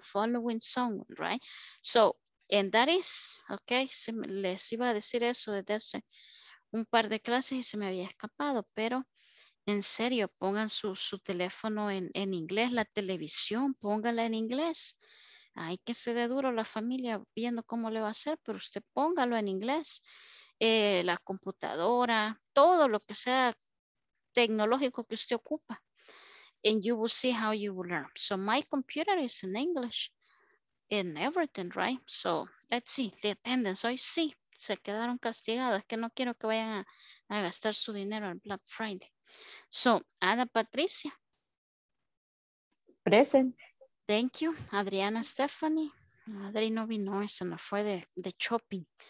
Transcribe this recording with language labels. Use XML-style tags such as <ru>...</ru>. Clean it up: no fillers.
<en>Following someone, right? So, and that is, ok,</en> <es>les iba a decir eso desde hace un par de clases y se me había escapado, pero en serio, pongan su teléfono en inglés, la televisión, póngala en inglés. Hay que ser duro la familia viendo cómo le va a hacer, pero usted póngalo en inglés. La computadora, todo lo que sea tecnológico que usted ocupa.</es> <en>And you will see how you will learn. So my computer is in English and everything, right? So let's see, the attendance,</en> <es>hoy sí. Se quedaron castigados, es que no quiero que vayan a gastar su dinero en Black Friday.</es> <en>So, Ana Patricia. Present. Thank you. Adriana Stephanie.</en> <es>Adri no vino, eso no fue de shopping.</es>